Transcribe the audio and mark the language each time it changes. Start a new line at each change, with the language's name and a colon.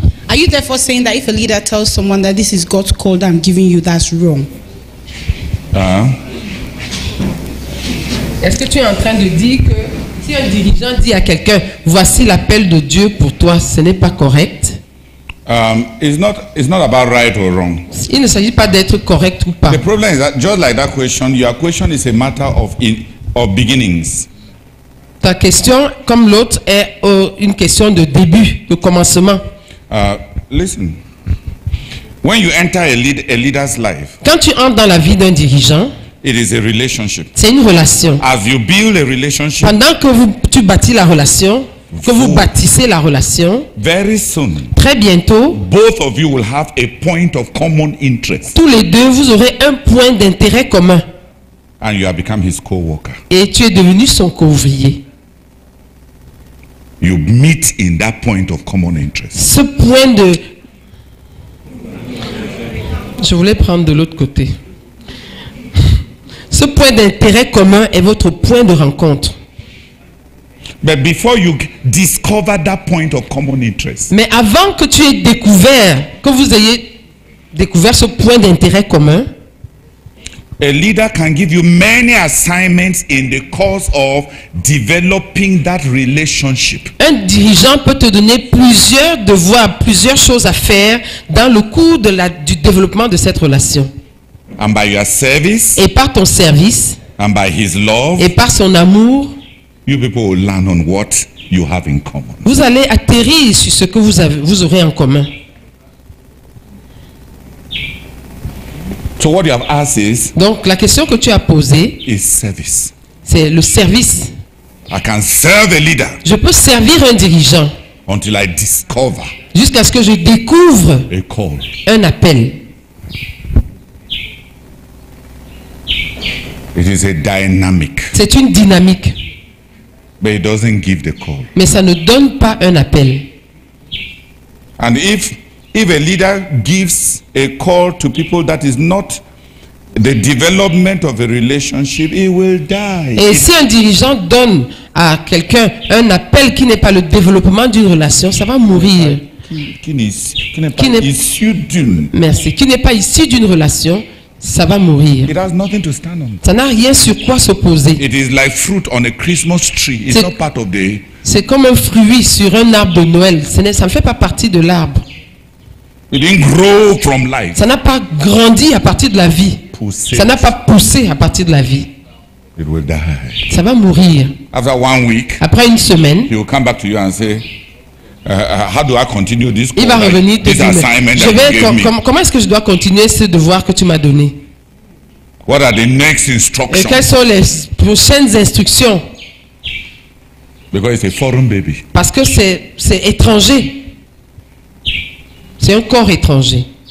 English: Are you therefore saying that if a leader tells someone that this is God's call that I'm giving you, that's wrong?
French: Est-ce que tu es en train de dire que si un dirigeant dit à quelqu'un, voici l'appel de Dieu pour toi, ce n'est pas correct?
English: It's not about right or wrong.
French: Il ne s'agit pas d'être correct ou pas.
English: The problem is that just like that question, your question is a matter of beginnings.
French: Ta question, comme l'autre, est une question de début, de commencement.
English: Listen. When you enter a leader's life,
French: quand tu entres dans la vie d'un dirigeant,
English: it is a relationship.
French: C'est une relation.
English: As you build a relationship,
French: pendant que tu bâtis la relation, que vous bâtissez la relation,
English: very soon,
French: très bientôt,
English: both of you will have a point of common interest.
French: Tous les deux, vous aurez un point d'intérêt commun.
English: And you have become his co-worker.
French: Et tu es devenu son co-ouvrier.
English: You meet in that point of common interest.
French: Ce point de... Je voulais prendre de l'autre côté. Ce point d'intérêt commun est votre point de rencontre.
English: But before you discover that point of common interest.
French: Mais avant que tu aies découvert, que vous ayez découvert ce point d'intérêt commun,
English: a leader can give you many assignments in the course of developing that relationship.
French: Un dirigeant peut te donner plusieurs devoirs, plusieurs choses à faire dans le cours de du développement de cette relation.
English: And by your service,
French: et par ton service,
English: and by his love,
French: et par son amour,
English: you people will land on what you have in common.
French: Vous allez atterrir sur ce que vous aurez en commun.
English: So what you have asked is,
French: donc la question que tu as posée
English: is service.
French: C'est le service.
English: I can serve a leader.
French: Je peux servir un dirigeant.
English: Until I discover.
French: Jusqu'à ce que je découvre
English: a call.
French: Un appel.
English: It is a dynamic.
French: C'est une dynamique.
English: But it doesn't give the call.
French: Mais ça ne donne pas un appel.
English: And if a leader gives a call to people that is not the development of a relationship, he will die.
French: Et si un dirigeant donne à quelqu'un un appel qui n'est pas le développement d'une relation, ça va mourir. Qui n'est pas issu d'une relation, ça va mourir.
English: It has nothing to stand on.
French: Ça n'a rien sur quoi s'opposer.
English: It is like fruit on a Christmas tree. It's not part of the.
French: C'est comme un fruit sur un arbre de Noël. Ça ne fait pas partie de l'arbre.
English: It didn't grow from life.
French: Ça n'a pas grandi à partir de la vie. Poussé. Ça n'a pas poussé à partir de la vie.
English: It will die.
French: Ça va mourir.
English: After 1 week,
French: après une semaine,
English: he will come back to you and say, how do I continue this?
French: Il va revenir te dire, comment est-ce que je dois continuer ce devoir que tu m'as donné?
English: What are the next instructions?
French: Et quelles sont les prochaines instructions?
English: Because it's a foreign baby.
French: Parce que c'est étranger. C'est un corps étranger.